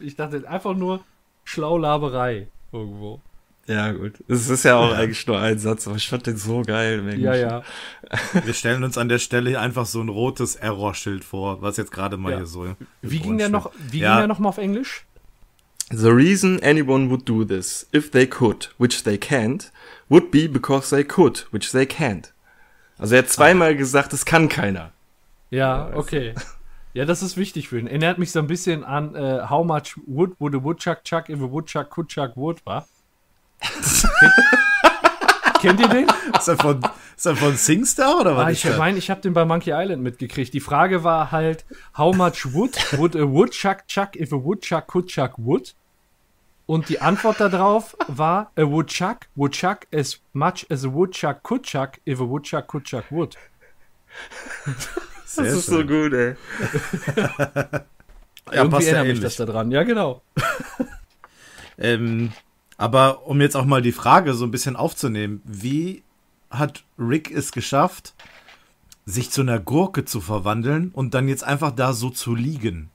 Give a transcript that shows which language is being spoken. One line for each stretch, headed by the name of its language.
German: Ich dachte, einfach nur Schlaulaberei irgendwo. Ja, gut. Es ist ja auch eigentlich nur ein Satz, aber ich fand den so geil. Mensch. Ja, ja. Wir stellen uns an der Stelle einfach so ein rotes Error-Schild vor, was jetzt gerade mal hier so. Wie ging der noch mal auf Englisch?
English: The reason anyone would do this, if they could, which they can't, would be because they could, which they can't.
German: Also er hat zweimal gesagt, es kann keiner. Ja, okay. Ja, das ist wichtig für ihn. Erinnert mich so ein bisschen an
English: How much wood would a woodchuck chuck if a woodchuck could chuck wood,
German: wa? Kennt ihr den? Ist er von SingStar oder was? Ich habe den bei Monkey Island mitgekriegt. Die Frage war halt,
English: how much wood would a woodchuck chuck if a woodchuck could chuck wood?
German: Und die Antwort darauf war,
English: a woodchuck would chuck as much as a woodchuck could chuck if a woodchuck could chuck wood.
German: Sehr das ist schön. So gut, ey. Ja, irgendwie erinnere ich mich das da dran. Ja, genau. Aber um jetzt auch mal die Frage so ein bisschen aufzunehmen, wie hat Rick es geschafft, sich zu einer Gurke zu verwandeln und dann jetzt einfach da so zu liegen?